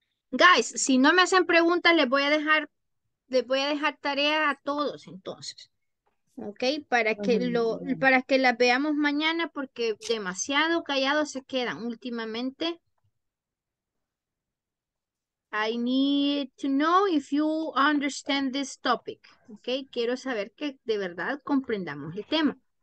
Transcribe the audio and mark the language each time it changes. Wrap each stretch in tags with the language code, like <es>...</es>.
<es>Guys, si no me hacen preguntas, les voy a dejar tarea a todos entonces. Ok, para que las veamos mañana, porque demasiado callados se quedan últimamente.</es> <en>I need to know if you understand this topic.</en> <es>Ok, quiero saber que de verdad comprendamos el tema.</es>